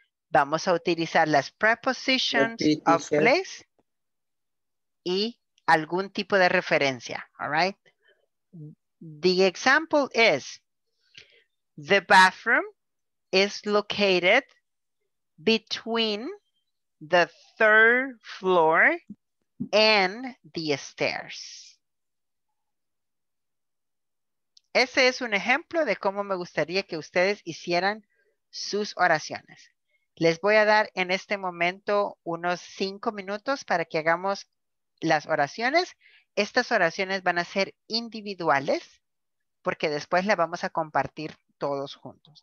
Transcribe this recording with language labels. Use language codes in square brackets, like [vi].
[es] Vamos a utilizar las prepositions of place y algún tipo de referencia, [en] all right? The example is, the bathroom is located between the 3rd floor and the stairs. [es] Ese es un ejemplo de cómo me gustaría que ustedes hicieran sus oraciones. Les voy a dar en este momento unos 5 minutos para que hagamos las oraciones. Estas oraciones van a ser individuales porque después las vamos a compartir todos juntos.